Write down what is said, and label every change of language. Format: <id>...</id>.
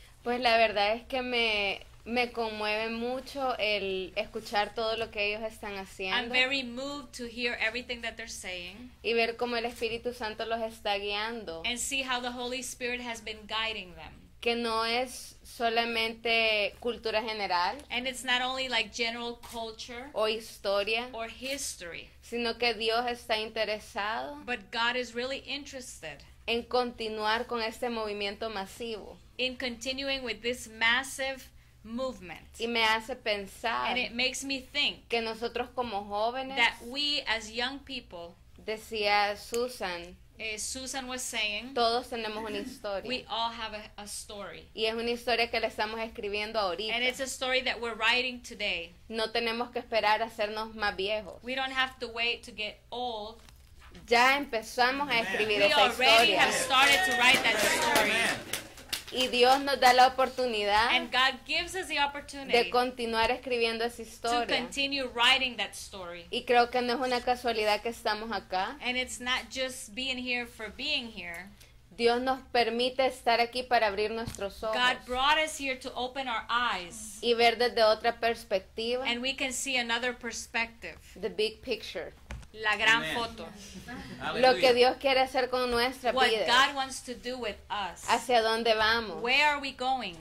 <es>Pues la verdad es que me conmueve mucho el escuchar todo lo que ellos están haciendo.</es> <en>I'm very moved to hear everything that they're saying.</en> <es>Y ver cómo el Espíritu Santo los está guiando.</es> <en>And see how the Holy Spirit has been guiding them.</en> <es>Que no es solamente cultura general.</es> <en>And it's not only like general culture.</en> <es>O historia.</es> <en>Or history.</en> <es>Sino que Dios está interesado.</es> <en>But God is really interested.</en> <es>En continuar con este movimiento masivo.</es> <en>In continuing with this massive movement.</en> <es>Y me hace pensar.</es> <en>And it makes me think.</en> <es>Que nosotros como jóvenes.</es> <en>That we as young people.</en> <es>Decía Susan.</es> <en>Susan was saying,</en> <es>todos tenemos una historia.</es> <en>We all have a story.</en> <es>Y es una historia que le estamos escribiendo ahorita.</es> <en>And it's a story that we're writing today.</en> <es>No tenemos que esperar a hacernos más viejos.</es> <en>We don't have to wait to get old.</en> <es>Ya empezamos a escribir</es> <en>we</en> <es>esa historia.</es> <en>We already have started to write that story. Amen.</en> <es>Y Dios nos da la oportunidad.</es> <en>And God gives us the opportunity.</en> <es>De continuar escribiendo esa historia.</es> <en>To continue writing that story.</en> <es>Y creo que no es una casualidad que estamos acá.</es> <en>And it's not just being here for being here.</en> <es>Dios nos permite estar aquí para abrir nuestros ojos.</es> <en>God brought us here to open our eyes.</en> <es>Y ver desde otra perspectiva.</es> <en>And we can see another perspective. The big picture.</en> <es>La gran foto. Lo que Dios quiere hacer con nuestra</es> <en>what</en> <es>vida.</es> <en>God wants to do with us.</en> <es>Hacia dónde vamos.</es> <en>Where are we going?</en>